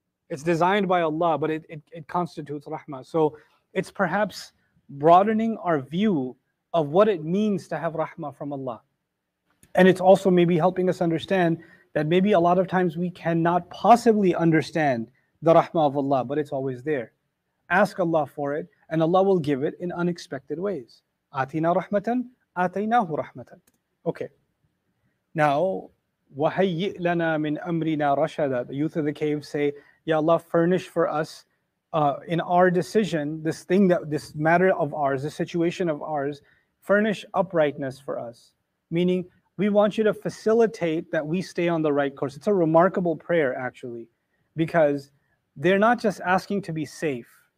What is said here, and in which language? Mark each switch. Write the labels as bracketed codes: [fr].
[en] It's designed by Allah, but it constitutes rahmah. So it's perhaps broadening our view of what it means to have rahmah from Allah. And it's also maybe helping us understand that maybe a lot of times we cannot possibly understand the rahmah of Allah, but it's always there. Ask Allah for it, and Allah will give it in unexpected ways. [ar] Atina rahmatan, ataynahu rahmatan. Okay. Now, وَهَيِّئْ لَنَا مِنْ أَمْرِنَا رَشَدًا. [en] The youth of the cave say, Ya Allah, furnish for us in our decision, this thing, that this matter of ours, this situation of ours, furnish uprightness for us. Meaning, we want you to facilitate that we stay on the right course. It's a remarkable prayer, actually, because they're not just asking to be safe.